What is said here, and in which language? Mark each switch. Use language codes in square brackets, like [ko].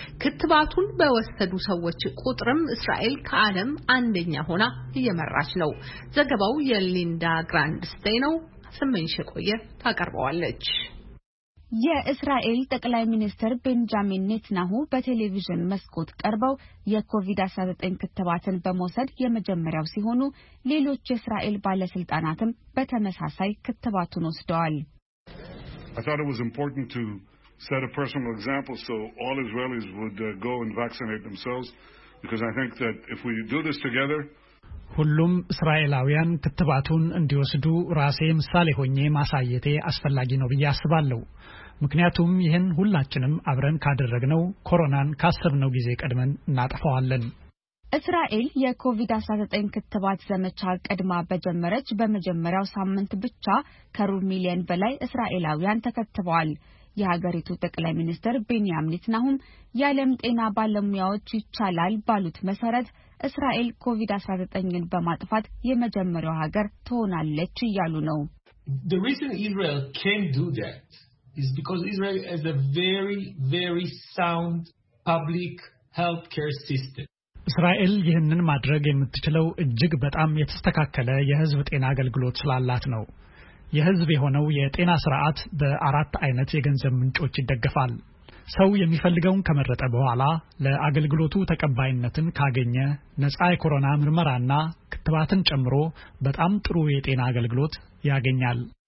[am] ክትባቱን በወሰዱ ሰዎች ቁጥርም እስራኤል ከዓለም አንደኛ ሆና እየመራች ነው። ዘገባው የሊን ዳ ግራንድ ስቴኖ ስምንሽ ቆየ ታቀርባለች። የእስራኤል ጠቅላይ ሚኒስትር ቤንጃሚን ኔትናሁ በቴሌቪዥን መስኮት ቀርበው የኮቪድ-19 ክትባትን በመውሰድ የመጀመሪያው ሲሆኑ ሌሎች የእስራኤል ባለስልጣናትም በተመሳሳይ ክትባቱን ወስደዋል። [en] I thought it was important to set a personal example so all Israelis would go and vaccinate themselves because I think that if we do this together [am] ሁሉም እስራኤላውያን ክትባቱን እንዲወስዱ ራሴ ምሳሌ ሆኜ ማሳየቴ አስፈላጊ ነው ብዬ አስባለሁ። ምክንያቱም ይሄን ሁላችንም አብረን ካደረግነው ኮሮናን ካሰብነው ጊዜ ቀድመን እናጠፋዋለን። እስራኤል የኮቪድ-19 ክትባት ዘመቻ ቀድማ በጀመረች በመጀመሪያው ሳምንት ብቻ ከሩብ ሚሊዮን በላይ እስራኤላውያን ተከትበዋል። የሀገሪቱ ጠቅላይ ሚኒስትር ቤንያሚን ኔትናሁ የዓለም ጤና ባለሙያዎች ይቻላል ባሉት መሰረት እስራኤል ኮቪድ-19ን በማጥፋት የመጀመሪያው ሀገር ተሆናለች ይላሉ ነው። [en] The reason Israel can do that is because Israel has a very very sound public healthcare system. [am] እስራኤል ይህንን ማድረግ የምትችለው እጅግ በጣም የተስተካከለ የህዝብ ጤና አገልግሎት ስላላት ነው። የህዝብ የሆነው የጤና ስርዓት በአራት አይነት የገንዘብ ምንጮች ይደገፋል። ሰው የሚፈልገውን ከመረጠ በኋላ ለአገልግሎቱ ተቀባይነትን ካገኘ ነፃ የኮሮና ምርመራና ክትባትን ጨምሮ በጣም ጥሩ የጤና አገልግሎት ያገኛል።